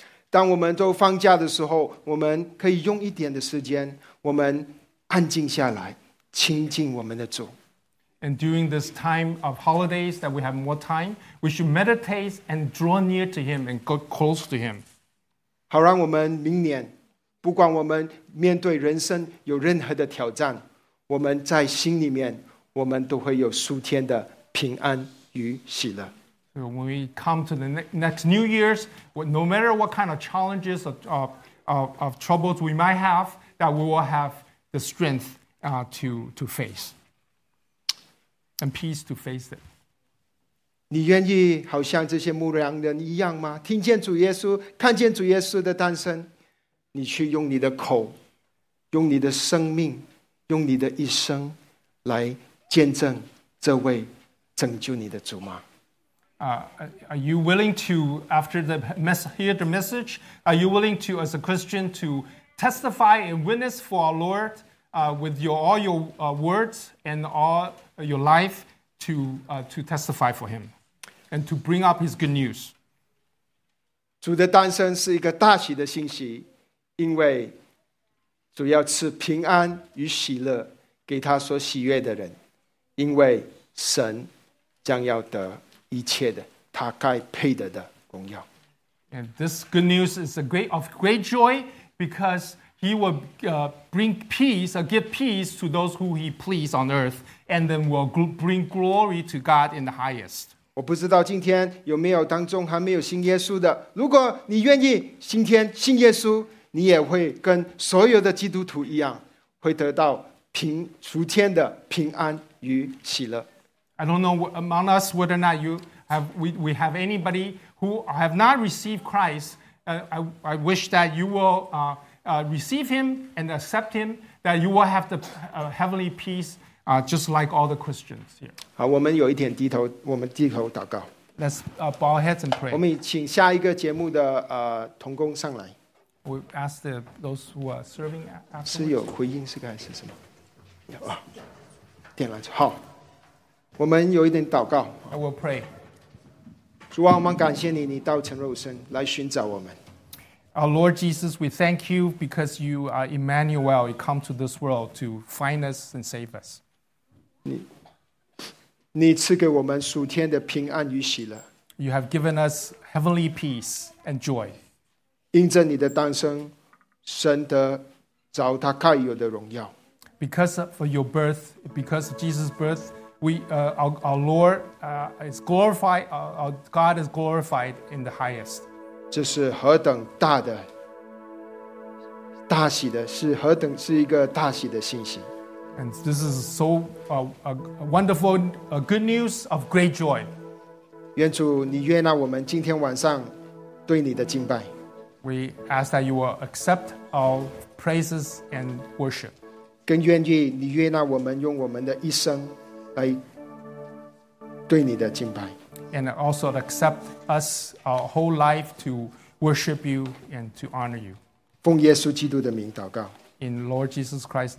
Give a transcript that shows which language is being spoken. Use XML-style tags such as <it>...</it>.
<zh>当我们都放假的时候，我们可以用一点的时间，我们安静下来，亲近我们的主。</zh> <en>And during this time of holidays that we have more time, we should meditate and draw near to Him and go close to Him.</en> <zh>好让我们明年，不管我们面对人生有任何的挑战，我们在心里面，我们都会有数天的平安与喜乐。</zh> <en>So when we come to the next New Year's, no matter what kind of challenges of troubles we might have, that we will have the strength to face. And peace to face it.</en> <zh>你愿意好像这些牧羊人一样吗？听见主耶稣，看见主耶稣的诞生，你去用你的口，用你的生命，用你的一生来见证这位拯救你的主吗？</zh> <en>Are you willing to, after the hear the message, are you willing to, as a Christian, to testify and witness for our Lord with all your words and all your life to testify for Him and to bring up His good news?</en> <zh>主的诞生是一个大喜的信息，因为主要赐平安与喜乐给他所喜悦的人，因为神将要得一切的他该配得的荣耀。</zh> <en>And this good news is of great joy because He will bring peace, or give peace to those who He pleases on earth, and then will bring glory to God in the highest.</en> <zh>我不知道今天有没有当中还没有信耶稣的。如果你愿意今天信耶稣，你也会跟所有的基督徒一样，会得到平除天的平安与喜乐。</zh> <en>I don't know among us whether or not we have anybody who have not received Christ. I wish that you will receive Him and accept Him, that you will have the heavenly peace just like all the Christians here.</en> <zh>好，我们有一点低头，我们低头祷告。</zh> <en>Let's bow our heads and pray.</en> <zh>我们请下一个节目的同工上来。</zh> <en>We ask those who are serving afterwards.</en> <zh>是有回应是该是什么？有啊，点了好。我们有一点祷告。</zh> <en>I will pray.</en> <zh>主啊，我们感谢你，你道成肉身来寻找我们。</zh> <en>Our Lord Jesus, we thank you because you are Emmanuel. You come to this world to find us and save us.</en> <zh>你赐给我们属天的平安与喜乐。</zh> <en>You have given us heavenly peace and joy.</en> <zh>因着你的诞生，神得着他该有的荣耀。</zh> <en>Because of your birth, because of Jesus' birth,our Lord is glorified. Our God is glorified in the highest.</en> <zh>这是何等大的大喜的，是何等是一个大喜的信息。</zh> <en>And this is so wonderful, good news of great joy.</en> <zh>愿主你悦纳我们今天晚上对你的敬拜。</zh> <en>We ask that you will accept our praises and worship.</en> <zh>更愿意你悦纳我们用我们的一生。来对你的敬拜</zh> <en>and also accept us our whole life to worship you and to honor you.</en> <zh>奉耶稣基督的名祷告</zh> <en>In Lord Jesus Christ's name.</en>